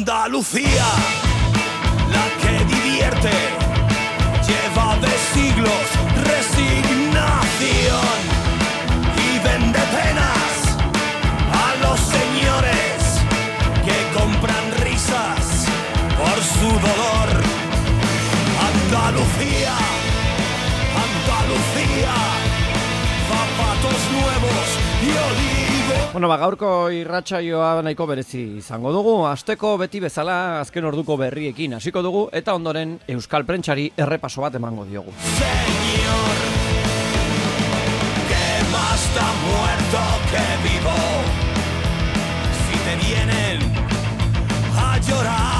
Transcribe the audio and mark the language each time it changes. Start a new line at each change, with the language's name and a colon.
Spanish: Lucía, la que divierte, lleva de siglos resignación y vende penas a los señores que compran risas por su dolor. Andalucía, Andalucía, zapatos nuevos y olivos.
Basque: Bueno, ba, gaurko irratsaioa nahiko berezi izango dugu, asteko beti bezala azken orduko berriekin hasiko dugu, eta ondoren Euskal Prentxari errepaso bat emango diogu.
Spanish: Señor, que más da muerto que vivo, si te vienen a llorar.